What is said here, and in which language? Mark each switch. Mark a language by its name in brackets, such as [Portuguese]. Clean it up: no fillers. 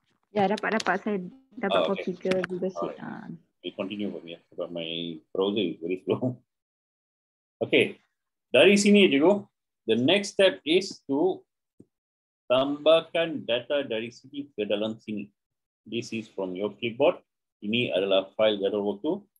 [Malay] Ya, dapat saya dapat copy okay. Ke Google Sheet. [English] Right. We continue from here, but my browser is very slow. [Malay] Okay, dari sini cikgu, [English] the next step is to [Malay] tambahkan data dari sini ke dalam sini. [English] This is from your clipboard. [Malay] Ini adalah file jadual waktu.